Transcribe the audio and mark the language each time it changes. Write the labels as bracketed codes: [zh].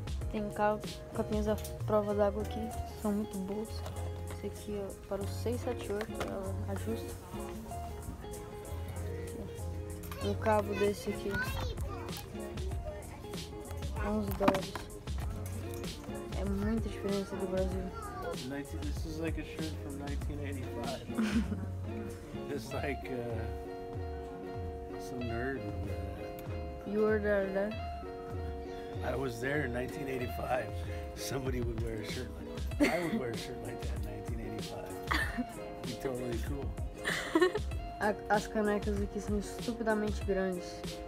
[pt] Tem capinhas da prova d'água aqui, são muito boas. Esse aqui é para o 678, ela ajusta. Um cabo desse aqui, $11. É muita diferença do Brasil. [en] This is like a shirt from 1985. It's like some nerd. You were there then? I was there in 1985. Somebody would wear a shirt like that. I would wear a shirt like that in 1985. Be totally cool. [pt] As canecas aqui são estupidamente grandes.